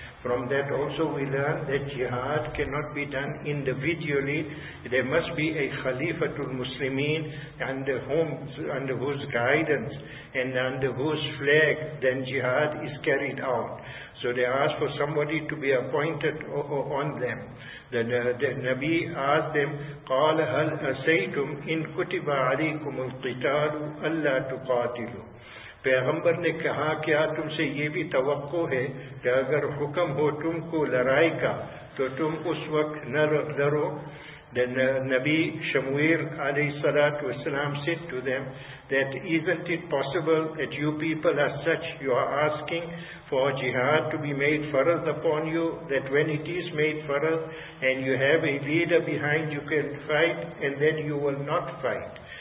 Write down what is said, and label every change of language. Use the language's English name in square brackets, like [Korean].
[English] From that also we learn that jihad cannot be done individually. There must be a Khalifatul Muslimin under whose guidance and under whose flag then jihad is carried out. So they ask for somebody to be appointed on them. The Nabi asked them, [Arabic] قَالَ هَلْ أَسَيْتُمْ إِنْ كُتِبَ عَلَيْكُمُ الْقِتَالُ أَلَّا تُقَاتِلُوا. [Urdu] پیغمبر نے کہا کیا تم سے یہ بھی توقع ہے کہ اگر حکم ہو تم کو لڑائی کا تو تم اس وقت نہ لڑو. [English] نبی شمویر علیہ السلام said to them that isn't it possible that you people are such, you are asking for jihad to be made farz upon you, that when it is made farz and you have a leader behind you can fight, and then you will not fight.